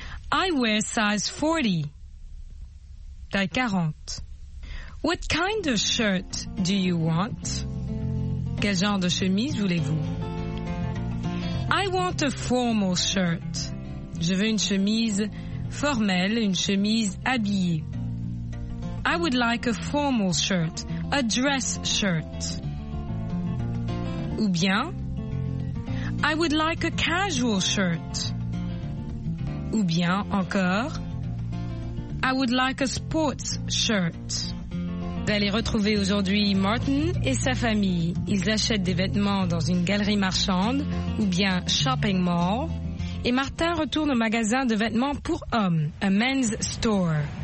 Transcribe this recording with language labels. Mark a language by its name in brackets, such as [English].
[English] I wear size 40. [French] Taille 40. [English] What kind of shirt do you want? [French] Quel genre de chemise voulez-vous? [English] I want a formal shirt. [French] Je veux une chemise formelle, une chemise habillée. [English] I would like a formal shirt, a dress shirt. [French] Ou bien, [English] I would like a casual shirt. [French] Ou bien encore, [English] I would like a sports shirt. [French] D'aller retrouver aujourd'hui Martin et sa famille. Ils achètent des vêtements dans une galerie marchande ou bien shopping mall. Et Martin retourne au magasin de vêtements pour hommes, [English] a men's store.